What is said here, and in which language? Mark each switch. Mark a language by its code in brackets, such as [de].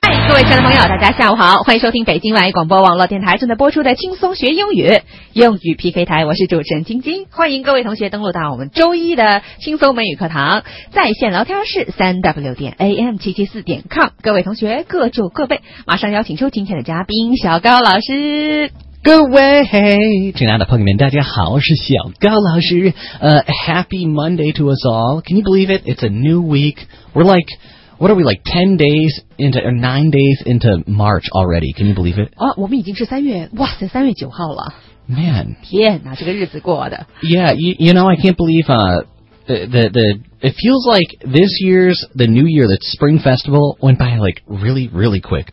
[zh] 各位亲爱的朋友，大家下午好，欢迎收听北京万一广播网络电台正在播出的轻松学英语用语 PK 台，我是主持人晶晶，欢迎各位同学登录到我们周一的轻松美语课堂在线聊天室 www.am774.com。各位同学各就各位，马上邀请出今天的嘉宾小高老师。各位亲爱的朋友们大家好，我是小高老师。 [en] Happy Monday to us all. Can you believe it? It's a new week. We're like, what are we like, 10 days into, or 9 days into March already. Can you believe it? [zh] 啊，我们已经是三月，哇塞，三月九号了。 [en] Man. [zh] 天哪，这个日子过的。 [en] Yeah, you know, I can't believe, it feels like this year's, the new year, the spring festival went by like really, really quick.